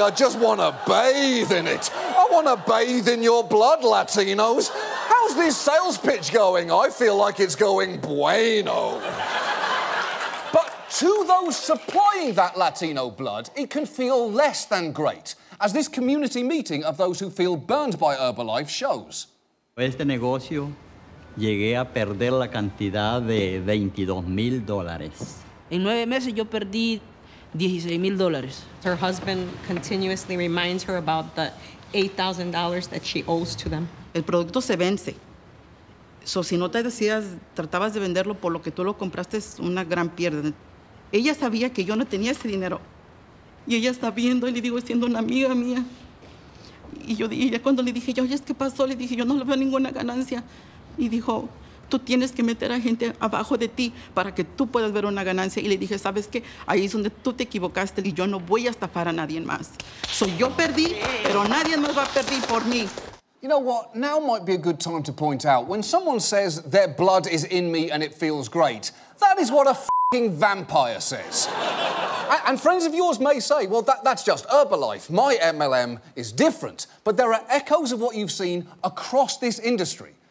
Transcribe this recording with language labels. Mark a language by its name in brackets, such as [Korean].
[English] I just want to bathe in it. I want to bathe in your blood, Latinos. How's this sales pitch going? I feel like it's going [Spanish] bueno. [English] But to those supplying that Latino blood, it can feel less than great, as this community meeting of those who feel burned by Herbalife shows. [Spanish] Este negocio llegué a perder la cantidad de $22,000. En 9 meses yo perdí $16,000. [English] Her husband continuously reminds her about the $8,000 that she owes to them. [Spanish] El producto se vence. So si no te decías, tratabas de venderlo por lo que tú lo compraste, es una gran pérdida. Ella sabía que yo no tenía ese dinero. Y ella está viendo y le digo, siendo una amiga mía. Y yo y ya cuando le dije, yo, oye, ¿qué pasó? Le dije, yo no le veo ninguna ganancia. Y dijo, tú tienes que meter a gente abajo de ti para que tú puedas ver una ganancia. Y le dije, ¿sabes qué? Ahí es donde tú te equivocaste y yo no voy a estafar a nadie más. So yo perdí, pero nadie más va a perder por mí. [English] You know what? Now might be a good time to point out, when someone says their blood is in me and it feels great, that is what a f***ing vampire says. And friends of yours may say, well, that's just Herbalife. My MLM is different. But there are echoes of what you've seen across this industry.